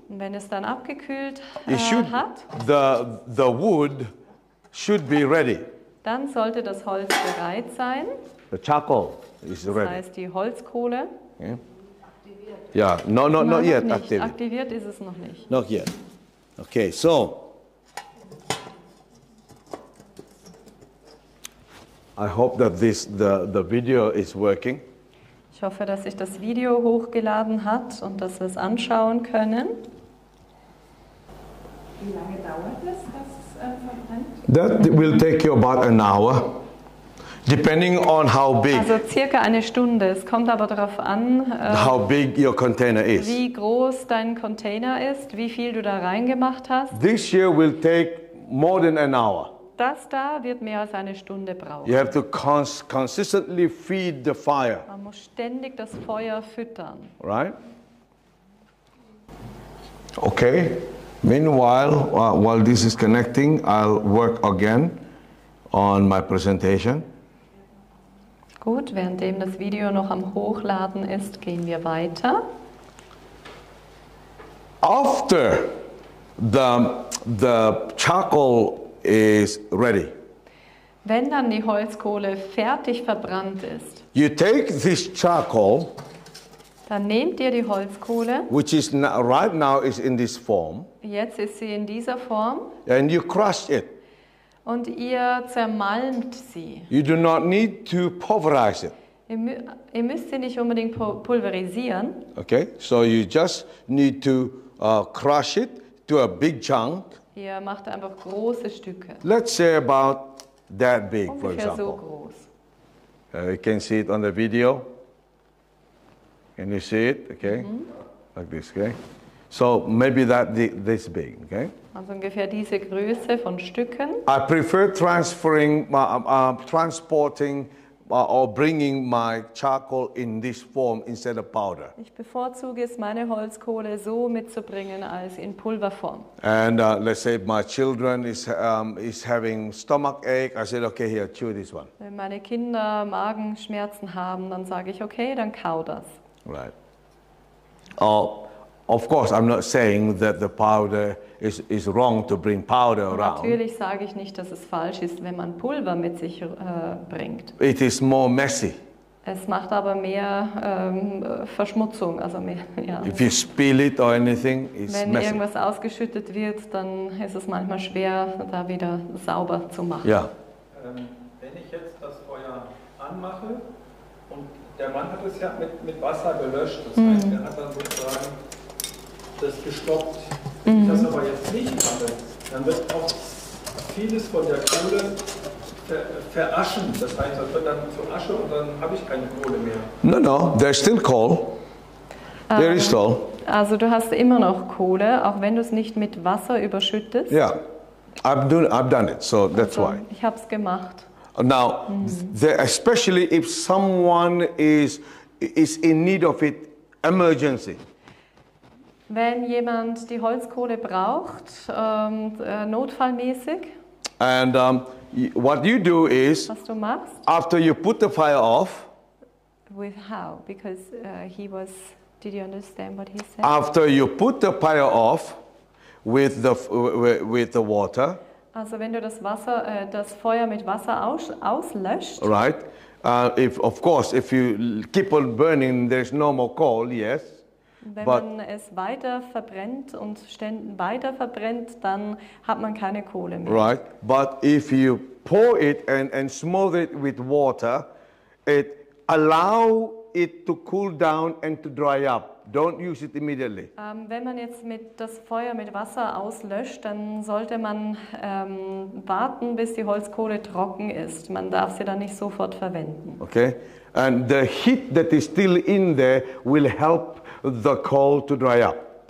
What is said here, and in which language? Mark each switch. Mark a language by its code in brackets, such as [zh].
[de] wenn es dann abgekühlt hat, [en] the wood should be ready. [de] Dann sollte das Holz bereit sein. [en] The charcoal is ready. [de] Das heißt, die Holzkohle. [en] Okay. Yeah, not yet [de] aktiviert. Aktiviert ist es noch nicht. [en] Not yet. Okay, so. I hope that the video is working. [de] Ich hoffe, dass sich das Video hochgeladen hat und dass wir es anschauen können. Wie lange dauert das? [en] That will take you about an hour, depending on how big. [de] Also circa eine Stunde. Es kommt aber darauf an, [en] how big your container is. [de] Wie groß dein Container ist, wie viel du da reingemacht hast. [en] This year will take more than an hour. [de] Das da wird mehr als eine Stunde brauchen. [en] You have to consistently feed the fire. [de] Man muss ständig das Feuer füttern. [en] Right? Okay. Meanwhile, while this is connecting, I'll work again on my presentation. [de] Gut, währenddem das Video noch am Hochladen ist, gehen wir weiter. [en] After the charcoal is ready. [de] Wenn dann die Holzkohle fertig verbrannt ist. [en] You take this charcoal. [de] Dann nehmt ihr die Holzkohle. [en] Which is right now is in this form. [de] Jetzt ist sie in dieser Form. [en] And you crush it. [de] Und ihr zermalmt sie. [en] You do not need to pulverize it. [de] Ihr müsst sie nicht unbedingt pulverisieren. [en] Okay, so you just need to crush it to a big chunk. [de] Ihr macht einfach große Stücke. [en] Let's say about that big, for example. [de] Ungefähr so groß. [en] You can see it on the video. Can you see it? Okay, mm-hmm. Like this. Okay, so maybe that this big. Okay. [de] Also ungefähr diese Größe von Stücken. [en] I prefer transporting or bringing my charcoal in this form instead of powder. [de] Ich bevorzuge es, meine Holzkohle so mitzubringen als in Pulverform. [en] And let's say my children is having stomach ache, I said, okay, here, chew this one. [de] Wenn meine Kinder Magenschmerzen haben, dann sage ich, okay, dann kau das. [en] Right. Oh, of course, I'm not saying that the powder is wrong to bring powder around. [de] Natürlich sage ich nicht, dass es falsch ist, wenn man Pulver mit sich bringt. [en] It is more messy. [de] Es macht aber mehr Verschmutzung, also mehr, ja. [en] If you spill it or anything, it's messy. [de] Wenn irgendwas ausgeschüttet wird, dann ist es manchmal schwer, da wieder sauber zu machen. Ja. Wenn ich jetzt das Feuer anmache und der Mann hat es ja mit Wasser gelöscht, das heißt, er hat dann sozusagen das gestoppt. Wenn ich das aber jetzt nicht mache, dann wird auch vieles von der Kohle veraschen. Das heißt, das wird dann zu Asche und dann habe ich keine Kohle mehr. [en] No, there's still coal. There is coal. [de] Also du hast immer noch Kohle, auch wenn du es nicht mit Wasser überschüttest. Ja. Yeah. [en] I've done it, so that's also, why. [de] Ich hab's gemacht. [en] Now, especially if someone is in need of it, emergency. [de] Wenn jemand die Holzkohle braucht, notfallmäßig. [en] And what you do is, [de] was du machst, [en] after you put the fire off. With how? Because he was. Did you understand what he said? After you put the fire off. With the water. [de] Also wenn du das Wasser, das Feuer mit Wasser auslöscht. [en] Right. If you keep on burning, there's no more coal. Yes. [de] Wenn but, man es weiter verbrennt und ständig weiter verbrennt, dann hat man keine Kohle mehr. [en] Right. But if you pour it and smother it with water, it allow it to cool down and to dry up. Don't use it immediately. [de] Wenn man jetzt das Feuer mit Wasser auslöscht, dann sollte man warten, bis die Holzkohle trocken ist. Man darf sie dann nicht sofort verwenden. [en] Okay. And the heat that is still in there will help the coal to dry up.